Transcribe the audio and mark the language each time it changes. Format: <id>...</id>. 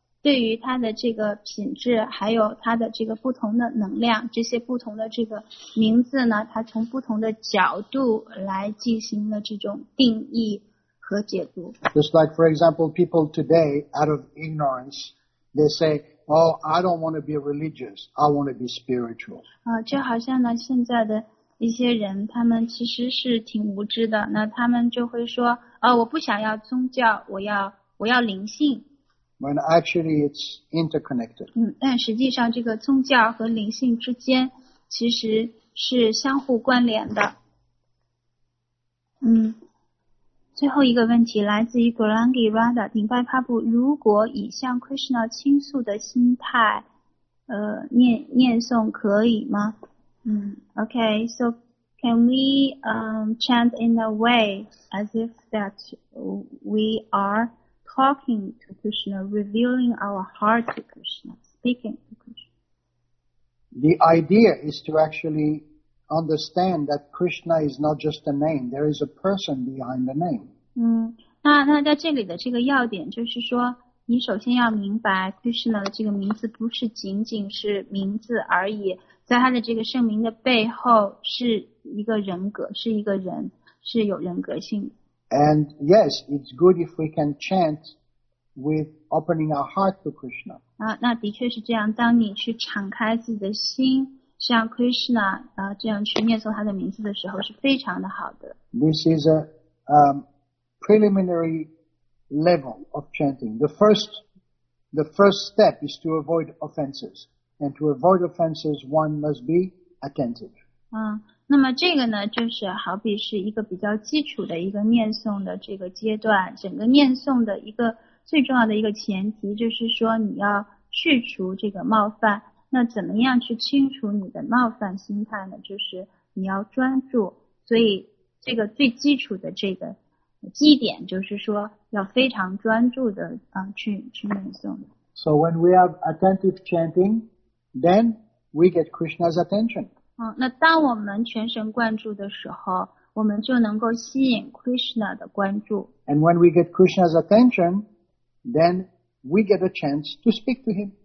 <zh>对于他的这个品质还有他的这个不同的能量这些不同的这个名字呢他从不同的角度来进行了这种定义和解读。</zh> <en>Just like, for example, people today, out of ignorance, they say, oh, I don't want to be religious, I want to be spiritual.</en> <zh>就好像呢现在的一些人他们其实是挺无知的那他们就会说我不想要宗教我要灵性。</zh> <en>When actually it's interconnected.</en> <zh>但实际上这个宗教和灵性之间其实是相互关联的。最后一个问题来自于 Gurangi Radha, 顶拜帕布如果以向 Krishna 倾诉的心态念诵可以吗</zh> <en>Okay, so can we chant in a way as if that we are... talking to Krishna, revealing our heart to Krishna, speaking to Krishna. The idea is to actually understand that Krishna is not just a name, there is a person behind the name.</en> <zh>那在这里的这个要点就是说你首先要明白 Krishna 的这个名字不是仅仅是名字而已在他的这个圣名的背后是一个人格是一个人是有人格性的。</zh> <en>And yes, it's good if we can chant with opening our heart to Krishna.</en> <zh>那的确是这样。当你去敞开自己的心，像 Krishna 这样去念诵他的名字的时候，是非常的好的。</zh> <en>This is a preliminary level of chanting. The first step is to avoid offenses, and to avoid offenses, one must be attentive.</en> <zh>那么这个呢就是好比是一个比较基础的一个念诵的这个阶段整个念诵的一个最重要的一个前提就是说你要去除这个冒犯那怎么样去清除你的冒犯心态呢就是你要专注所以这个最基础的这个基点就是说要非常专注的去念诵。</zh> <en>So when we have attentive chanting, then we get Krishna's attention.</en> <zh>那当我们全神贯注的时候，我们就能够吸引 Krishna 的关注。</zh> <en>And when we get Krishna's attention, then we get a chance to speak to him.</en>